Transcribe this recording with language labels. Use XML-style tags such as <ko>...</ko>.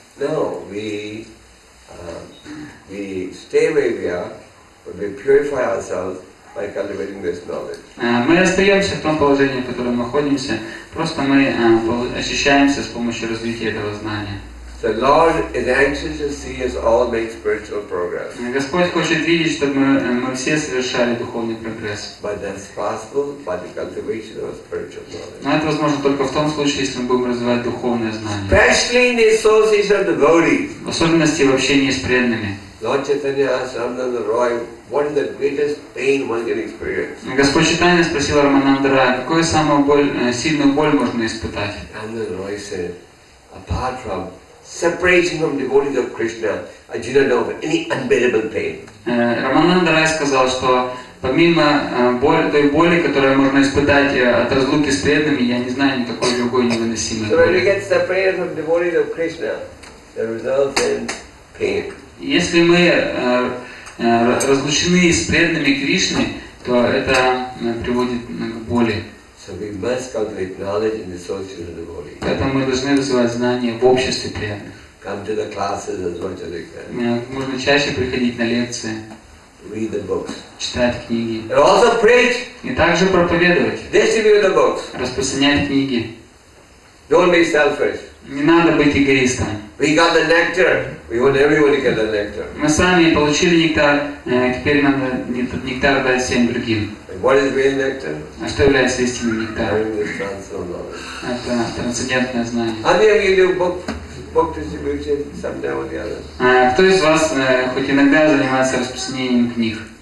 <en>No, we stay where we are, but we purify ourselves by cultivating this knowledge.</en> <ru>Мы остаемся в том положении, в котором мы находимся, просто мы очищаемся с помощью развития этого знания.</ru> <en>The Lord is anxious to see us all make spiritual progress.</en> <ru>Господь хочет видеть, чтобы мы все совершали духовный прогресс.</ru> <en>But that's possible by the cultivation of spiritual knowledge.</en> <ru>Но это возможно только в том случае, если мы будем развивать духовное знание.</ru> <en>Especially in the associations of devotees.</en> <ru>В особенности в общении с преданными.</ru> <en>Lord Chaitanya asked Ramananda Roy, "What is the greatest pain one can experience?"</en> <ru>Господь Чайтанья спросил Рамананда Роя, какую самую боль, сильную боль можно испытать?</ru> <en>Ramananda Roy said, "Apart from separation from devotees of Krishna, I do not know of any unbearable pain."</en> <ru>Рамананда Рай сказал, что помимо той боли, которую можно испытать от разлуки с преданными, я не знаю никакой другой невыносимой боли.</ru> <en>So when we get separated from devotees of Krishna, the result is pain.</en> <ru>Если мы разлучены с преданными Кришны, то это приводит к боли.</ru> <en>So we must cultivate knowledge in the association of the body.</en> <ru>Поэтому мы должны развивать знания в обществе преданных.</ru> <en>Come to the classes as much as you can.</en> <ru>Можно чаще приходить на лекции.</ru> <en>Read the books.</en> <ru>Читать книги.</ru> <en>And also preach.</en> <ru>И также проповедовать.</ru> <en>Distribute the books.</en> <ru>Распространять книги.</ru> <en>Don't be selfish.</en> <ru>Не надо быть эгоистом.</ru> <en>We got the nectar. We want everyone to get the nectar.</en> <ru>Мы сами получили нектар. Теперь надо нектар дать всем другим.</ru> <en>What is real nectar?</en> <ru>А что является истинным нектаром? Это трансцендентное знание.</ru> <en>How many of you do book distribution someday or the other?</en> <ru>Кто из вас хоть иногда занимается распространением книг?</ru>